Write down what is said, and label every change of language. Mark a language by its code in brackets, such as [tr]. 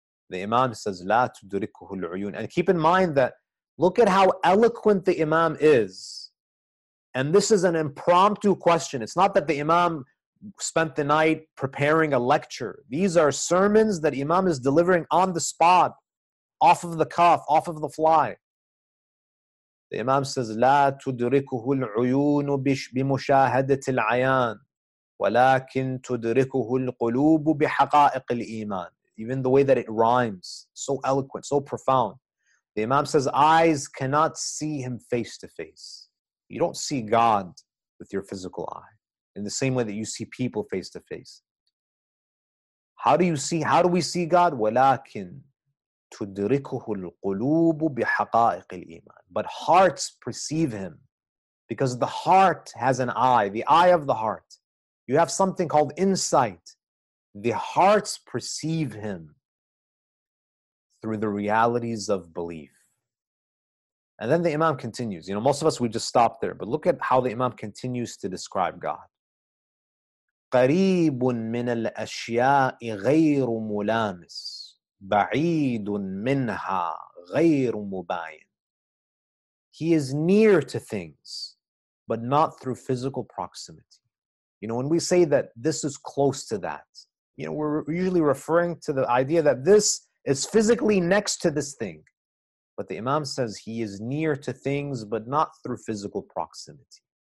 [en] The Imam says, [ar] لا تدركه العيون. [en] And keep in mind that, look at how eloquent the Imam is. And this is an impromptu question. It's not that the Imam spent the night preparing a lecture. These are sermons that Imam is delivering on the spot, off of the cuff, off of the fly. The Imam says, [ar] لا تدركه العيون بمشاهدة العيان ولكن تدركه القلوب بحقائق الإيمان. [en] Even the way that it rhymes, so eloquent, so profound. The Imam says, eyes cannot see him face to face. You don't see God with your physical eye in the same way that you see people face to face. How do we see God? [ar] ولكن تدركه القلوب بحقائق الإيمان. [en] But hearts perceive him, because the heart has an eye, the eye of the heart. You have something called insight. The hearts perceive him through the realities of belief. And then the Imam continues. You know, most of us, we just stop there. But look at how the Imam continues to describe God. [ar] قريب من الأشياء غير ملامس بعيد منها غير مباين. [en] He is near to things, but not through physical proximity. You know, when we say that this is close to that, you know, we're usually referring to the idea that this is physically next to this thing. But the Imam says he is near to things, but not through physical proximity.